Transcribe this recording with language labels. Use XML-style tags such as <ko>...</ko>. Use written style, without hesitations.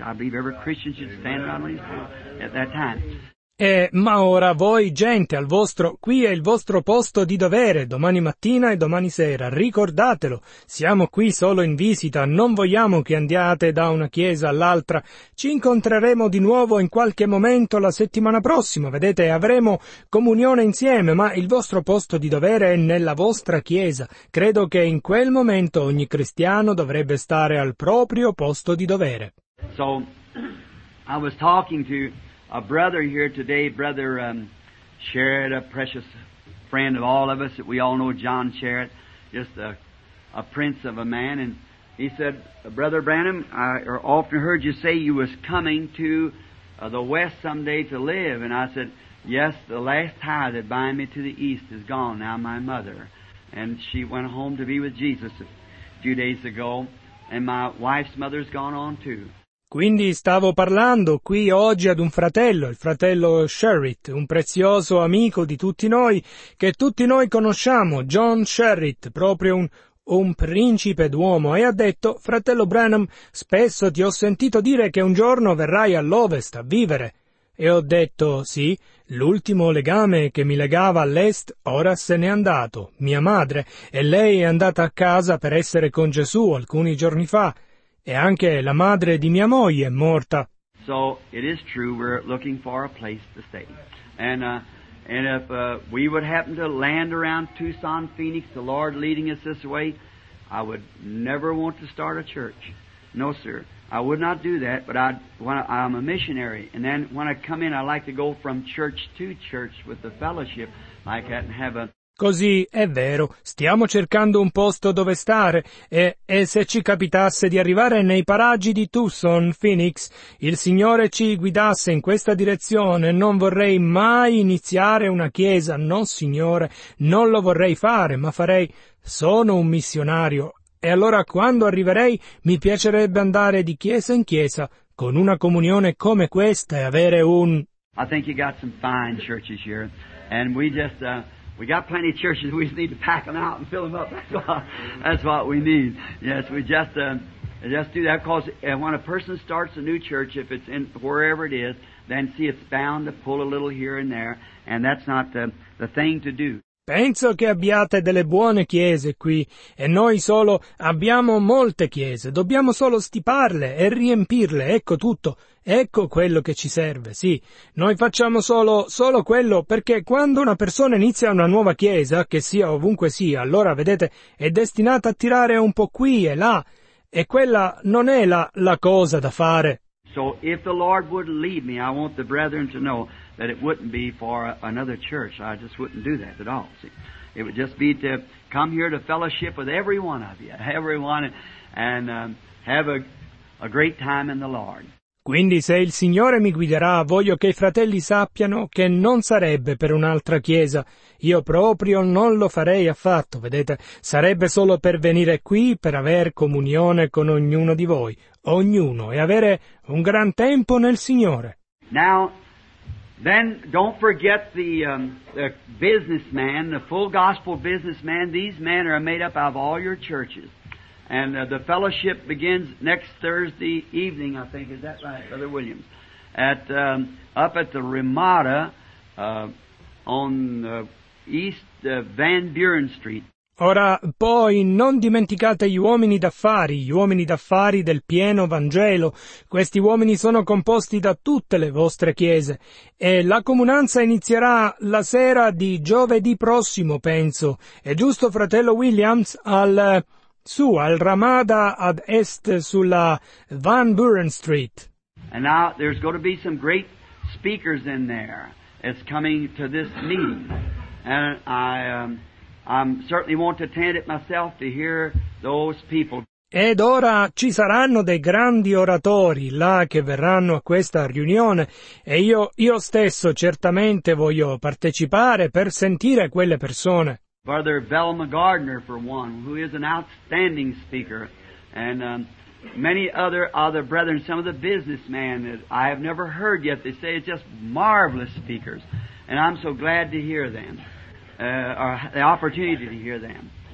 <en>I believe every Christian should stand on his feet at that time.</en> <it>Ma ora voi, gente, al vostro, qui è il vostro posto di dovere, domani mattina e domani sera, ricordatelo, siamo qui solo in visita, non vogliamo che andiate da una chiesa all'altra, ci incontreremo di nuovo in qualche momento la settimana prossima, vedete, avremo comunione insieme, ma il vostro posto di dovere è nella vostra chiesa, credo che in quel momento ogni cristiano dovrebbe stare al proprio posto di dovere.</it> <en>So, I was talking to... a brother here today, Brother Sherrod, a precious friend of all of us, that we all know John Sherrod, just a prince of a man. And he said, Brother Branham, I often heard you say you was coming to the West someday to live. And I said, yes, the last tie that bind me to the East is gone now, my mother. And she went home to be with Jesus a few days ago. And my wife's mother's gone on too.</en> <it>Quindi stavo parlando qui oggi ad un fratello, il fratello Sherritt, un prezioso amico di tutti noi, che tutti noi conosciamo, John Sherritt, proprio un principe d'uomo, e ha detto, fratello Branham, spesso ti ho sentito dire che un giorno verrai all'Ovest a vivere. E ho detto, sì, l'ultimo legame che mi legava all'Est ora se n'è andato, mia madre, e lei è andata a casa per essere con Gesù alcuni giorni fa. E anche la madre di mia moglie è morta.</it> <en>So it is true we're looking for a place to stay. And if we would happen to land around Tucson, Phoenix, the Lord leading us this way, I would never want to start a church. No, sir. I would not do that, but I'm a missionary. And then when I come in, I like to go from church to church with the fellowship like that and have a...</en> <it>Così è vero, stiamo cercando un posto dove stare e se ci capitasse di arrivare nei paraggi di Tucson, Phoenix, il Signore ci guidasse in questa direzione, non vorrei mai iniziare una chiesa, no Signore, non lo vorrei fare, ma farei, sono un missionario, e allora quando arriverei mi piacerebbe andare di chiesa in chiesa con una comunione come questa e avere un...</it> <en>I think you got some fine churches here, and we just... We got plenty of churches. We just need to pack them out and fill them up. That's what we need. Yes, we just do that because when a person starts a new church, if it's in wherever it is, then see it's bound to pull a little here and there, and that's not the thing to do.</en> <it>Penso che abbiate delle buone chiese qui e noi solo abbiamo molte chiese. Dobbiamo solo stiparle e riempirle. Ecco tutto. Ecco quello che ci serve, sì. Noi facciamo solo quello perché quando una persona inizia una nuova chiesa, che sia ovunque sia, allora, vedete, è destinata a tirare un po' qui e là. E quella non è la cosa da fare.</it> <en>So if the Lord would lead me, I want the brethren to know that it wouldn't be for another church. I just wouldn't do that at all. See, it would just be to come here to fellowship with every one of you, everyone, and have a great time in the Lord.</en> <it>Quindi se il Signore mi guiderà, voglio che i fratelli sappiano che non sarebbe per un'altra chiesa. Io proprio non lo farei affatto, vedete? Sarebbe solo per venire qui, per aver comunione con ognuno di voi, ognuno, e avere un gran tempo nel Signore.</it> <en>Now, then don't forget the businessman, the full gospel businessman. These men are made up of all your churches. And the fellowship begins next Thursday evening, I think. Is that right, Brother Williams? At up at the Ramada on East Van Buren Street.</en> <it>Ora, poi, non dimenticate gli uomini d'affari del pieno Vangelo. Questi uomini sono composti da tutte le vostre chiese. E la comunanza inizierà la sera di giovedì prossimo, penso. È giusto, Fratello Williams, al... Su, al Ramada ad est sulla Van Buren Street.</it> <en>And now there's going to be some great speakers in there. It's coming to this meeting. And I certainly want to attend it myself to hear those people.</en> <it>Ed ora ci saranno dei grandi oratori là che verranno a questa riunione e io stesso certamente voglio partecipare per sentire quelle persone.</it> <en>Brother Velma Gardner, for one, who is an outstanding speaker, and many other brethren, some of the businessmen that I have never heard yet, they say it's just marvelous speakers, and I'm so glad to hear them, or the opportunity to hear them.</en>